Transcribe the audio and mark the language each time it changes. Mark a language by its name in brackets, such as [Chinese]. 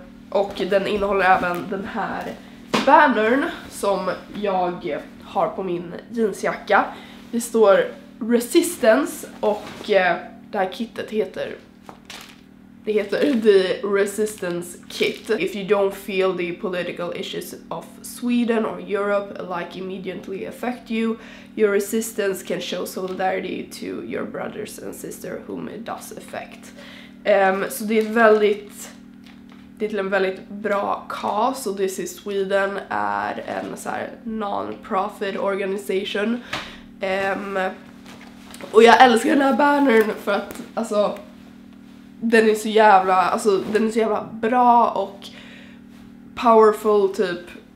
[Swedish] Och den innehåller även den här bannern som jag har på min jeansjacka. Det står Resistance, och det här kittet heter, det heter The Resistance Kit. [English] If you don't feel the political issues of Sweden or Europe like immediately affect you, your resistance can show solidarity to your brothers and sisters whom it does affect. [Swedish] Så det är ett väldigt, det är till en väldigt bra cause, och This is Sweden är en så här [English] non-profit organization. [Swedish] Och jag älskar den här bannern för att, alltså, den är så jävla, alltså den är så jävla bra och powerful typ.